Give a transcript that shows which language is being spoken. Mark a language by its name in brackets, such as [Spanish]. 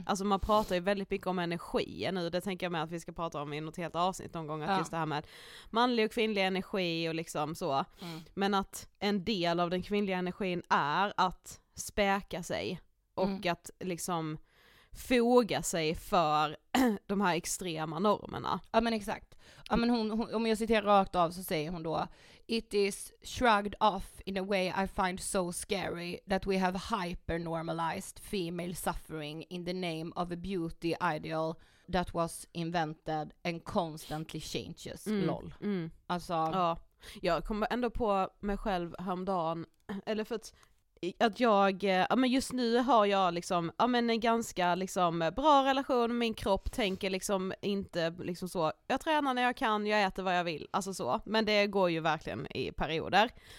[Swedish] Alltså man pratar ju väldigt mycket om energier nu, det tänker jag med att vi ska prata om i något helt avsnitt någon gång, att just det här med manlig och kvinnlig energi och liksom så. Men att en del av den kvinnliga energin är att späka sig och att liksom foga sig för de här extrema normerna. Ja, men exakt. Ja, men hon, om jag citerar rakt av så säger hon då, [English] it is shrugged off in a way I find so scary that we have hyper-normalized female suffering in the name of a beauty ideal that was invented and constantly changes. Lol. [Swedish] Alltså, ja, jag kom ändå på mig själv häromdagen, eller för att jag, men just nu har jag liksom, men en ganska liksom bra relation med min kropp, tänker liksom inte liksom så, jag tränar när jag kan, jag äter vad jag vill, alltså så, men det går ju verkligen i perioder.